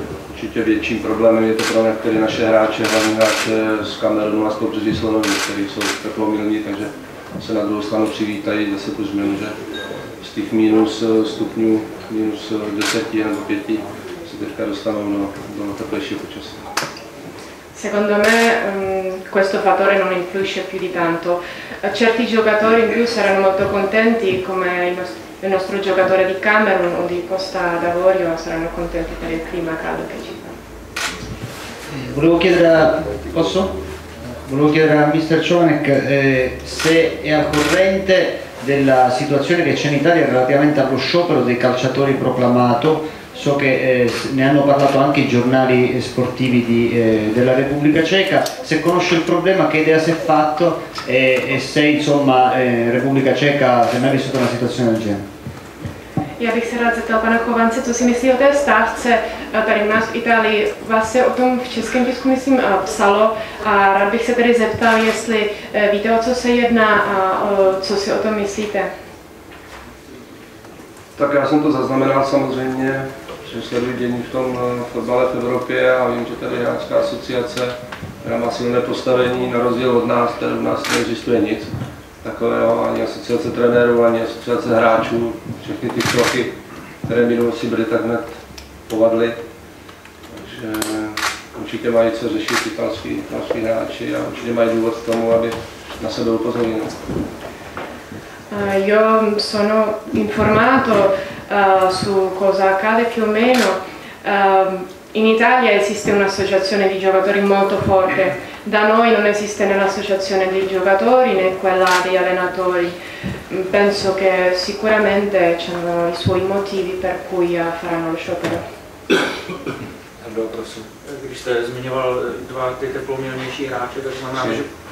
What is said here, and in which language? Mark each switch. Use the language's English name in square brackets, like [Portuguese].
[Czech] Určitě větším problémem je to pro některé naše hráče, hlavní hráče z Kamerunu a z pobřeží Slonoví, kteří jsou teplomilní, takže se na druhou stranu přivítají zase tu změnu, že z těch minus stupňů, minus 10 nebo 5 se teďka dostanou do teplejšího počasí. S [Italian] Secondo me questo fattore non influisce più di tanto. Certi giocatori in più saranno molto contenti, come il nostro giocatore di Camerun o di Costa d'Avorio, saranno contenti per il clima caldo che ci fa. Volevo chiedere a... Posso? Volevo chiedere a Mr. Čovanek se è al corrente della situazione che c'è in Italia relativamente allo sciopero dei calciatori proclamato. So che ne hanno parlato anche i giornali sportivi della Repubblica Ceca. Se conosce il problema, che idea si è fatto e se insomma Repubblica Ceca se ne ha vissuto una situazione del genere. [Czech] Já bych se rád zeptal pana Chovance, co si myslí o té stávce tady u nás v Itálii. Vás se o tom v českém tisku, myslím, psalo a rád bych se tedy zeptal, jestli víte, o co se jedná a co si o tom myslíte. Tak já jsem to zaznamenal samozřejmě, že sleduji dění v tom fotbale v Evropě a vím, že tady hráčská asociace, která má silné postavení na rozdíl od nás, tady u nás neexistuje nic takového, ani asociace trenérů, ani asociace hráčů, všechny ty kroky, které minulosti byly, tak hned povadly. Takže určitě mají co řešit italský hráči a určitě mají důvod k tomu, aby na sebe upozornili. [Italian] Io sono informato su cosa accade più o meno. In Italia esiste un'associazione di giocatori molto forte. Da noi non esiste né l'associazione dei giocatori né quella degli allenatori. Penso che sicuramente ci hanno i suoi motivi per cui faranno lo sciopero. Allora, [Czech] prosim. Když jste zmiňoval dva ty teplomilnější hráče, tak znamená, [Italian] sì.